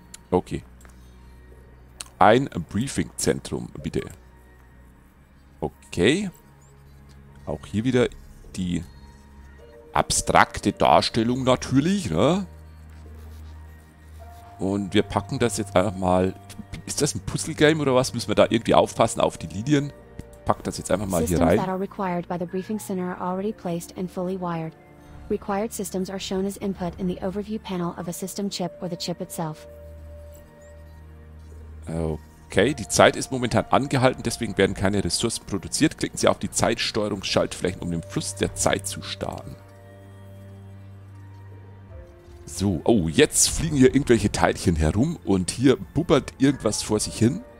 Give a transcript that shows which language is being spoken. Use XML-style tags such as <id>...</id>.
<de>Okay. Ein Briefingzentrum, bitte. Okay. Auch hier wieder die abstrakte Darstellung natürlich, ne? Und wir packen das jetzt einfach mal. Ist das ein Puzzle-Game oder was? Müssen wir da irgendwie aufpassen auf die Linien? Pack das jetzt einfach mal hier rein.</de> <en>Systems that are required by the briefing center are already placed and fully wired. Required systems are shown as input in the overview panel of a system chip or the chip itself.</en> <de>Okay, die Zeit ist momentan angehalten, deswegen werden keine Ressourcen produziert. Klicken Sie auf die Zeitsteuerungsschaltflächen, um den Fluss der Zeit zu starten. So, oh, jetzt fliegen hier irgendwelche Teilchen herum und hier bubbert irgendwas vor sich hin.</de>